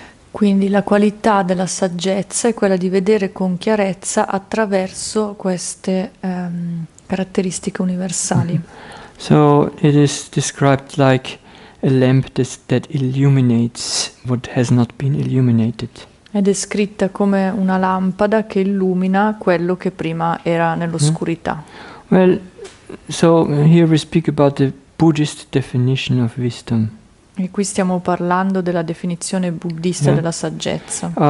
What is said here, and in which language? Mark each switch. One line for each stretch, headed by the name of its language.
Italian: Quindi la qualità della saggezza è quella di vedere con chiarezza attraverso queste caratteristiche universali. Mm-hmm.
English: So it is described like a lamp that illuminates what has not been illuminated.
Italian: È descritta come una lampada che illumina quello che prima era nell'oscurità. Mm-hmm.
English: Well, so here we speak about the Buddhist definition of wisdom.
Italian: E qui stiamo parlando della definizione buddista, yeah, della saggezza.